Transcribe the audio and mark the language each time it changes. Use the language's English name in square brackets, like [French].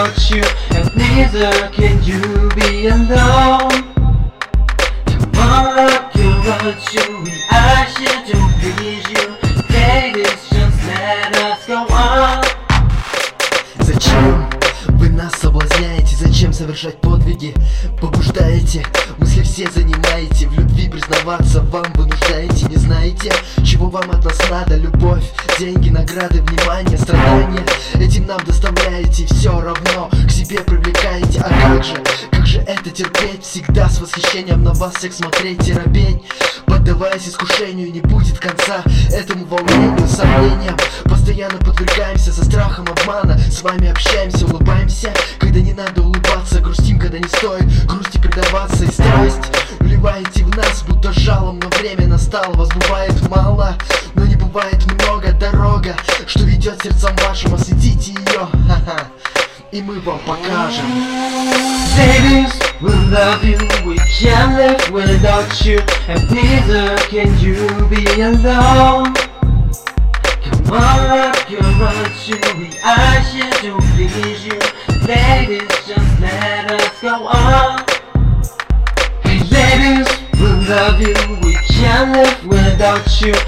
[English] you, and neither can you be alone. Tomorrow can hurt you, we are here to please you. Take this chance, let us go on. [Russian] Зачем? Нас соблазняете, зачем совершать подвиги? Побуждаете, мысли все занимаете. В любви признаваться вам вынуждаете. Не знаете, чего вам от нас надо? Любовь, деньги, награды, внимание, страдания. Этим нам доставляете, все равно к себе привлекаете. А как же это терпеть? Всегда с восхищением на вас всех смотреть и робеть. Поддаваясь искушению, не будет конца этому волнению, сомнениям. Постоянно подвергаемся со страхом обмана. С вами общаемся, улыбаемся, когда не надо улыбаться. Грустим, когда не стоит грусти предаваться. И страсть вливаете в нас, будто жалом, но время настало. Вас бывает мало, но не бывает много. Дорога, что ведет сердцам вашим, осветите ее. Ха-ха, и мы вам покажем. [English] Ladies, we love you, we can't live without you. And neither can you be alone. Tomorrow you're about to be out here to please you. Ladies, just let us go on. Hey ladies, we love you, we can't live without you.